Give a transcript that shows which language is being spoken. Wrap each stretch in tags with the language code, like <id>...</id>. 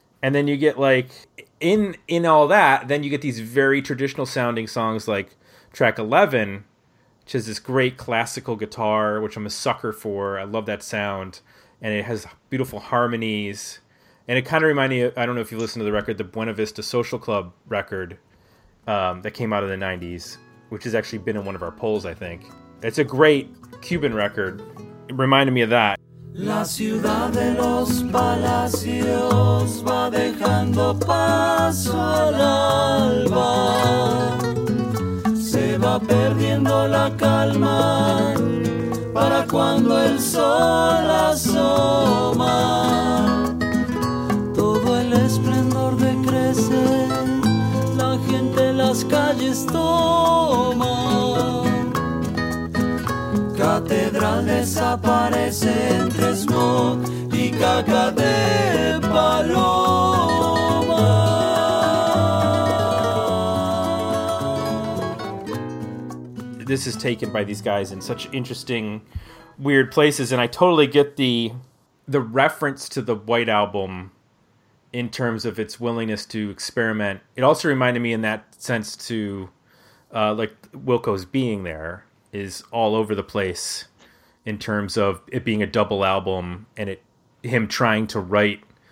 <en>And then you get like in all that, then you get these very traditional sounding songs like track 11, which has this great classical guitar, which I'm a sucker for. I love that sound. And it has beautiful harmonies. And it kind of reminded me, I don't know if you listened to the record, the Buena Vista Social Club record that came out in the 90s, which has actually been in one of our polls, I think. It's a great Cuban record. It reminded me of that.</en> <es>La ciudad de los palacios va dejando paso al alba. Se va perdiendo la calma para cuando el sol asoma. Todo el esplendor decrece, la gente las calles toma. Catedral desaparece entre smog y caca de paloma.</es> <en>This is taken by these guys in such interesting, weird places. And I totally get the reference to the White Album in terms of its willingness to experiment. It also reminded me in that sense to like Wilco's Being There is all over the place in terms of it being a double album and it him trying to write.</en>